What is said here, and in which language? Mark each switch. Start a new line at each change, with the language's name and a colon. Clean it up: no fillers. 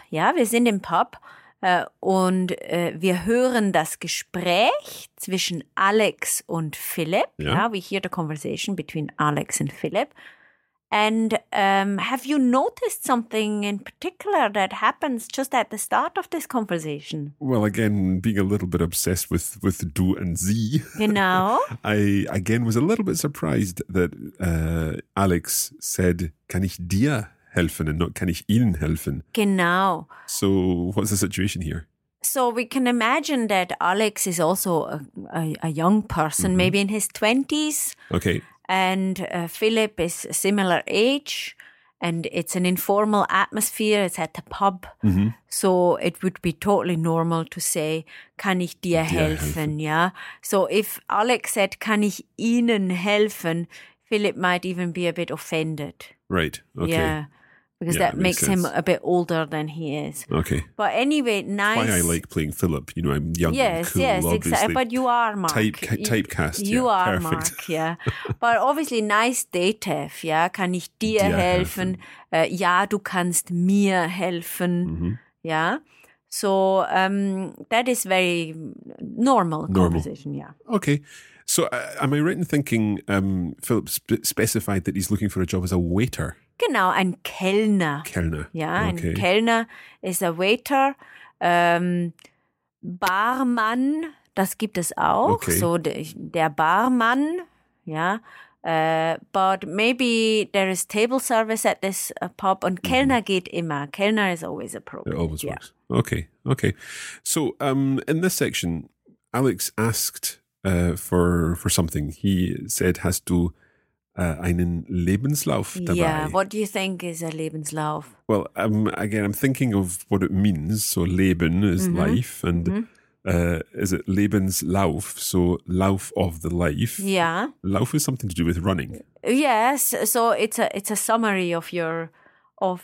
German: Ja, wir sind im Pub und wir hören das Gespräch zwischen Alex und Philip. Ja,
English: we hear the conversation between Alex and Philip. And have you noticed something in particular that happens just at the start of this conversation? Well, again, being a little bit obsessed with du and sie. You know? I, again, was a little bit surprised that Alex said,
German: kann ich dir helfen
English: and not
German: kann ich ihnen helfen? Genau.
English: So what's the situation here? So we can imagine that Alex is also a young person, mm-hmm. maybe in his 20s. Okay. And Philip is a similar age, and it's an informal atmosphere. It's at the pub. Mm-hmm. So it would be totally normal to say,
German: kann ich dir helfen?
English: Yeah. So if Alex said,
German: kann ich Ihnen helfen?
English: Philip might even be a bit offended. Right. Okay. Yeah. Because yeah, that makes him a bit older than he is. Okay. But anyway, nice. That's why I like playing Philip. You know, I'm young. Yes, and cool, yes, obviously. Exactly. But you are Mark. Typecast. You yeah, are perfect. Mark, yeah. But obviously, nice Dativ, yeah.
German: Kann ich dir helfen? Ja, du kannst mir helfen. Mm-hmm.
English: Yeah. So that is very normal conversation, yeah. Okay. So am I right in thinking Philip specified that he's looking for a job as a waiter?
German: Genau, ein Kellner. Kellner. Ja,
English: okay.
German: Ein Kellner ist
English: a waiter.
German: Barmann, das gibt es auch.
English: Okay.
German: So der Barmann, ja.
English: But maybe there is table service at this pub
German: und Kellner
English: mm-hmm.
German: geht immer.
English: Kellner is always appropriate. It always yeah. works. Okay, okay. So in this section, Alex asked for something. He said,
German: hast du einen Lebenslauf dabei?
English: Yeah, what do you think is a Lebenslauf? Well, again, I'm thinking of what it means. So Leben is mm-hmm. life and mm-hmm. Is it Lebenslauf? So Lauf of the life. Yeah. Lauf is something to do with running. Yes, so it's a summary of your life.